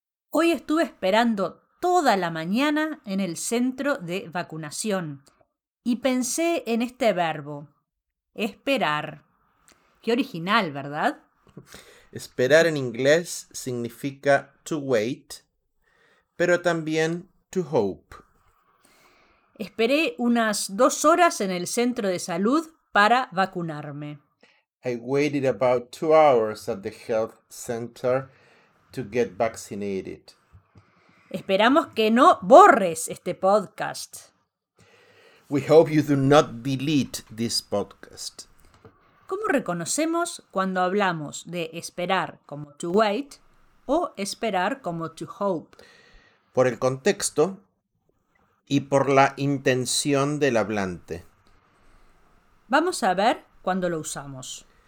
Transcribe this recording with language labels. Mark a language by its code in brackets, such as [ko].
[es] Hoy estuve esperando toda la mañana en el centro de vacunación y pensé en este verbo, esperar. Qué original, ¿verdad? Esperar en inglés significa to wait, pero también to hope. Esperé unas 2 horas en el centro de salud para vacunarme. [en] I waited about 2 hours at the health center to get vaccinated. [es] Esperamos que no borres este podcast. [en] We hope you do not delete this podcast. [es] ¿Cómo reconocemos cuando hablamos de esperar como to wait o esperar como to hope? Por el contexto y por la intención del hablante. Vamos a ver cuándo lo usamos.